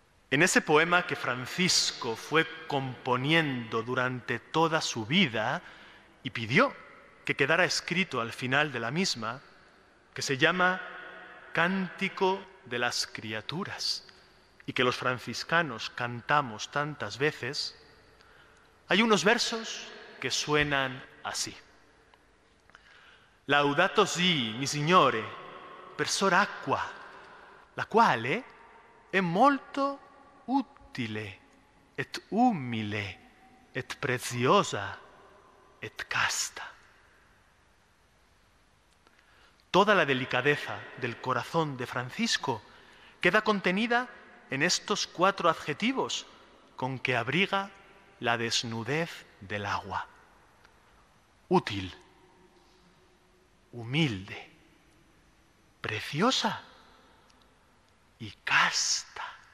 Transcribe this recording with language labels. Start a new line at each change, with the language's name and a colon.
Spanish: En ese poema que Francisco fue componiendo durante toda su vida y pidió que quedara escrito al final de la misma, que se llama Cántico de las Criaturas y que los franciscanos cantamos tantas veces, hay unos versos que suenan así.
Italian: Laudato si, mi signore, per sor acqua, la quale è molto utile, et umile, et preziosa, et casta.
Spanish: Toda la delicadeza del corazón de Francisco queda contenida en estos cuatro adjetivos con que abriga la desnudez del agua. Útil, humilde, preciosa y casta.